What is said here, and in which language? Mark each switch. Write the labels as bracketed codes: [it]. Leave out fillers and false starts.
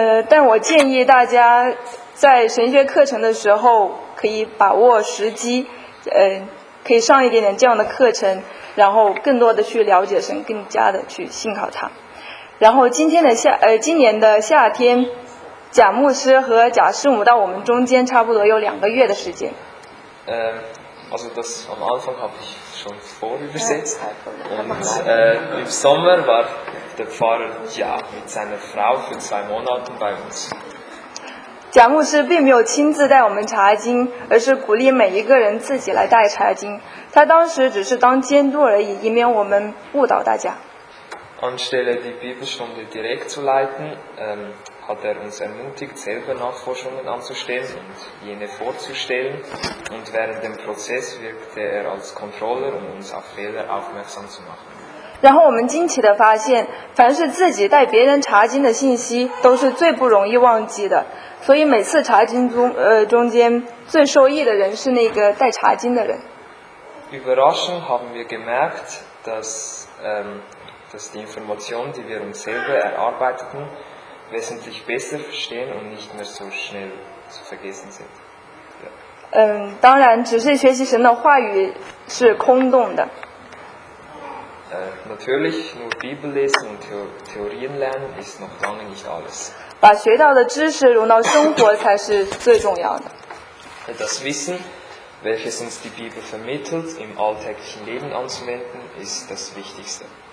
[zh] 但我建议大家在神学课程的时候可以把握时机，可以上一点点这样的课程，然后更多的去了解神，更加的去信靠他。然后今年的夏天，贾牧师和贾师母到我们中间差不多有两个月的时间。 [de] Also das am Anfang habe ich schon vorübersetzt und im Sommer war der Pfarrer ja mit seiner Frau für zwei Monate bei uns. [zh] 贾牧师并没有亲自带我们查经，而是鼓励每一个人自己来带查经。他当时只是当监督而已，以免我们误导大家。 [de] Anstelle die Bibelstunde direkt zu leiten, hat uns ermutigt, selber Nachforschungen anzustellen und jene vorzustellen. Und während dem Prozess wirkte als Controller, um uns auf Fehler aufmerksam zu machen. [zh] 然后我们惊奇地发现，凡是自己带别人查经的信息，都是最不容易忘记的。所以每次查经中间最受益的人是那个带查经的人。 [de] Überraschend haben wir gemerkt, dass dass die Informationen, die wir uns selber erarbeiteten, wesentlich besser verstehen und nicht mehr so schnell zu vergessen sind. [zh] 当然只是学习神的话语是空洞的。 [de] Natürlich, nur Bibel lesen und Theorien lernen ist noch lange nicht alles. [zh] 把学到的知识融到生活才是最重要的。 [de] Das Wissen, welches uns die Bibel vermittelt, im alltäglichen Leben anzuwenden, ist das Wichtigste.